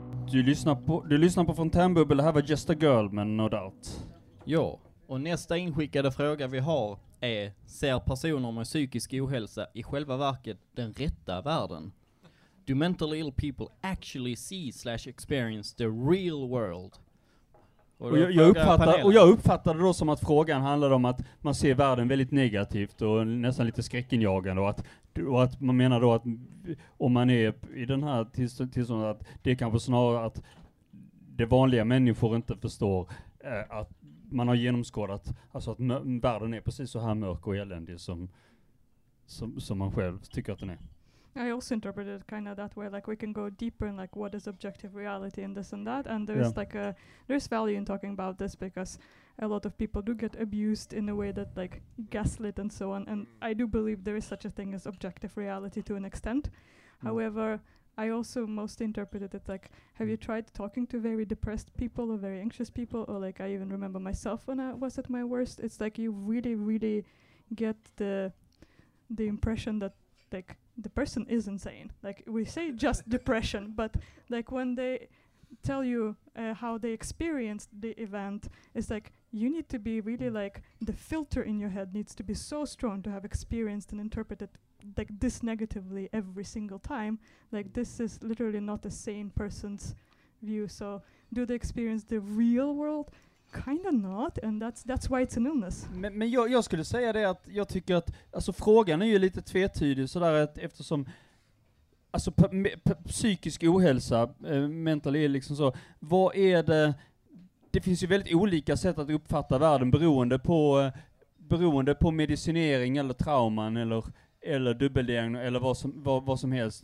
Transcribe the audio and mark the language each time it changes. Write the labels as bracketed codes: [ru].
[sv] Du lyssnar på Fontänbubbel, här var Just a Girl, men no doubt. Ja, och nästa inskickade fråga vi har är: ser personer med psykisk ohälsa i själva verket den rätta världen? [en] Do mentally ill people actually see / experience the real world? [sv] Och jag uppfattade då som att frågan handlade om att man ser världen väldigt negativt och nästan lite skräckinjagande, och att man menar då att om man är i den här tillståndet, att det är kanske snarare att det vanliga människor inte förstår att man har genomskådat, alltså att världen är precis så här mörk och eländig som man själv tycker att den är. [en] I also interpreted kind of that way, like we can go deeper in like what is objective reality and this and that, and there's there's value in talking about this, because a lot of people do get abused in a way that like gaslit and so on, and I do believe there is such a thing as objective reality to an extent. However, I also most interpreted it like, have you tried talking to very depressed people or very anxious people, or like I even remember myself when I was at my worst, it's like you really really get the impression that like the person is insane. Like we say just depression, but like when they tell you how they experienced the event, it's like you need to be really like, the filter in your head needs to be so strong to have experienced and interpreted like this negatively every single time. Like this is literally not a sane person's view. So do they experience the real world? Kind of not, and that's why it's an illness. [sv] Men jag skulle säga det, att jag tycker att, alltså, frågan är ju lite tvetydig så där, att eftersom alltså psykisk ohälsa, mental är liksom så, vad är det? Det finns ju väldigt olika sätt att uppfatta världen beroende på medicinering eller trauman eller dubbeldiagnos eller vad som helst.